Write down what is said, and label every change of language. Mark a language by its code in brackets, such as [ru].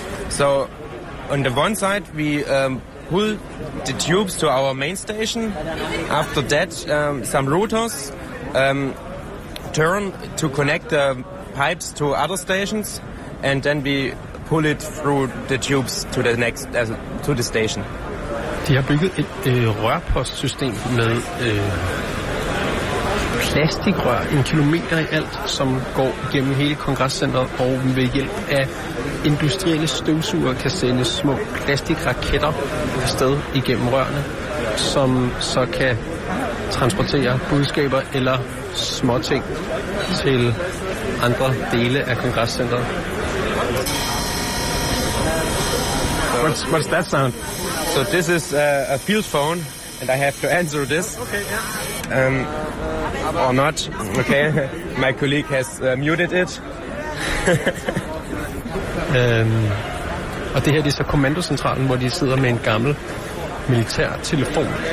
[en] So on the one side, we pull the tubes to our main station. After that, some routers turn to connect the pipes to other stations, and then we pull it through the tubes to the next to the station. [da] De har bygget et rørpostsystem med plastikrør en kilometer i alt, som går gennem hele kongresscenteret, og ved hjælp af industrielle støvsuger kan sende små plastikraketter afsted igennem rørene, som så kan transportere budskaber eller små ting til andre dele af kongresscenteret. [en] What's that sound? So this is a field phone, and I have to answer this. Okay, yeah. Or not. Okay, my colleague has muted it. [da] Og det her, det er så kommandocentralen, hvor de sidder med en gammel militær telefon.